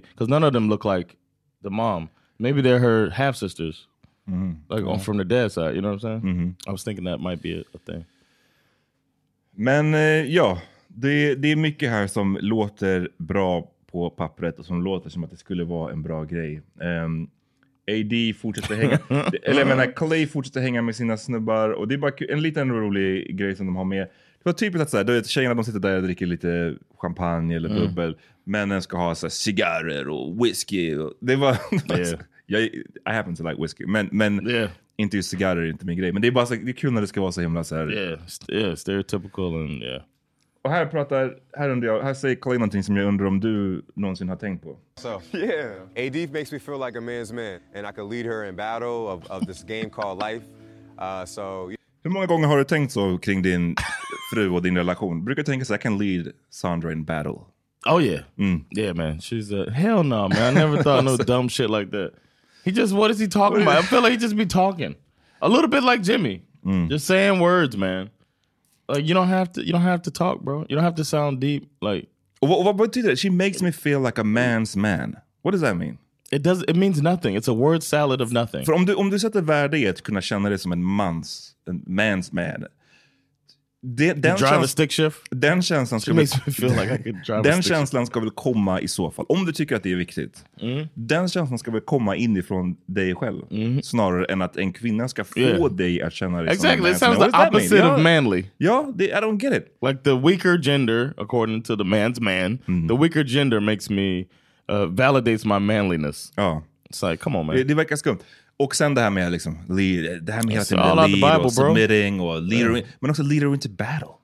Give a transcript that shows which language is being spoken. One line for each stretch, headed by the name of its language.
English: Because none of them look like the mom. Maybe they're her half-sisters. Mm-hmm. Like on from the dead side, you know what I'm saying? Mm-hmm. I was thinking that might be a thing.
Swedish: Men ja, det är mycket här som låter bra på pappret och som låter som att det skulle vara en bra grej. AD fortsätter hänga, eller jag menar Clay fortsätter hänga med sina snubbar och det är bara en liten rolig grej som de har med. Det var typiskt att så här, då är tjejerna de sitter där och dricker lite champagne eller bubbel. Männen ska ha så här, cigarrer och whisky. Och, det var...
English: I happen to like whiskey,
Swedish: men inte just cigarrer är inte min grej. Men det är bara så, det är kul när det ska vara så himla så här.
English: Yeah, stereotypical and yeah.
Swedish: Och här pratar, här säger Clay någonting som jag undrar om du någonsin har tänkt på.
English: So, yeah, AD makes me feel like a man's man. And I could lead her in battle of this game called life.
Swedish: Hur många gånger har du tänkt så kring din fru och din relation? Brukar du tänka så,
English: I can lead Sandra in battle? Oh yeah. Mm. Yeah man, she's a, hell no man, I never thought no dumb shit like that. He just, what is he talking about? I feel like he just be talking. A little bit like Jimmy. Mm. Just saying words, man. Like, you don't have to talk, bro. You don't have to sound deep. Like, what about that? She makes me feel like a man's man. What does that mean? It means nothing. It's a word salad of nothing.
Swedish: För om du sätter värde att kunna känna dig som en man's man. Den känslan ska väl komma i så fall. Om du tycker att det är viktigt. Mm. Den känslan ska väl komma inifrån dig själv. Mm. Snarare än att en kvinna ska få dig att känna dig
English: exactly.
Swedish: som en man.
English: Exactly, it sounds the opposite of manly. I don't get it. Like the weaker gender, according to the man's man. Mm. The weaker gender makes me, validates my manliness.
Swedish: Ja.
English: It's like, come on man.
Swedish: Det verkar skumt. Och sen det här med liksom lead, det här med hela tiden lead
English: the Bible,
Swedish: och submitting och leader, men också leader into battle.